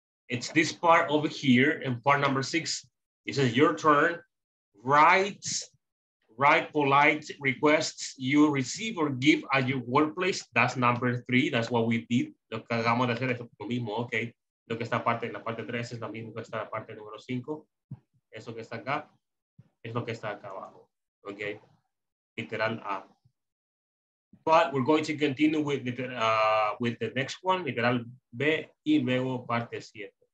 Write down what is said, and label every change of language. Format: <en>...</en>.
<en>It's this part over here, and part number 6, it says your turn, write polite requests you receive or give at your workplace. That's number 3, that's what we did.</en> <es>Lo que acabamos de hacer es lo mismo, okay. Lo que está parte, la parte 3 es lo mismo que está la parte número 5. Eso que está acá, es lo que está acá abajo, okay. Literal A.</es> <en>But we're going to continue with the next one, literal B,</en> <es>y luego parte 7.</es>